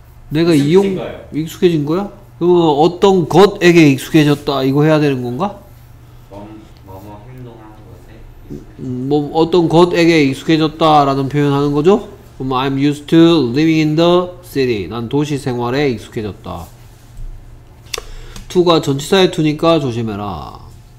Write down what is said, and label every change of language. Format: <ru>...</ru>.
<ko>내가 이용, 익숙해진 거야? 그 어떤 것에게 익숙해졌다 이거 해야 되는 건가? 뭐뭐 행동하는 것에 익숙해졌다. 뭐 어떤 것에게 익숙해졌다 라는 표현하는 거죠? 그럼</ko> <en>I'm used to living in the city.</en> <ko>난 도시 생활에 익숙해졌다. 2가 전치사의 2니까 조심해라.</ko>